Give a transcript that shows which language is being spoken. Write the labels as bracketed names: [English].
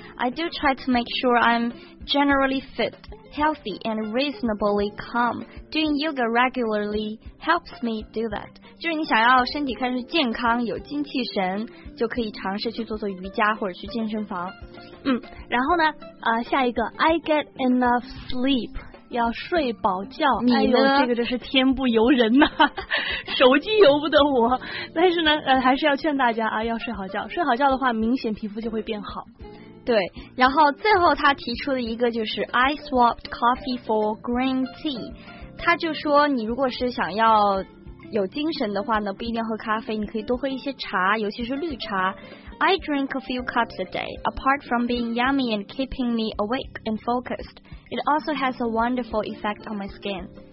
[English] I do try to make sure I'm generally fit, healthy and reasonably calm. Doing yoga regularly helps me do that. [Chinese] 就是你想要身体开始健康有精气神，就可以尝试去做做瑜伽或者去健身房。然后呢下一个 [English] I get enough sleep， [Chinese] 要睡饱觉。你呢？这个真是天不由人呐、手机由不得我。但是呢还是要劝大家啊，要睡好觉，睡好觉的话明显皮肤就会变好。对，然后最后他提出了一个，就是 [English] I swapped coffee for green tea。 [Chinese] 他就说你如果是想要有精神的话呢，不一定喝咖啡，你可以多喝一些茶，尤其是绿茶。 [English] I drink a few cups a day. Apart from being yummy and keeping me awake and focused, it also has a wonderful effect on my skin.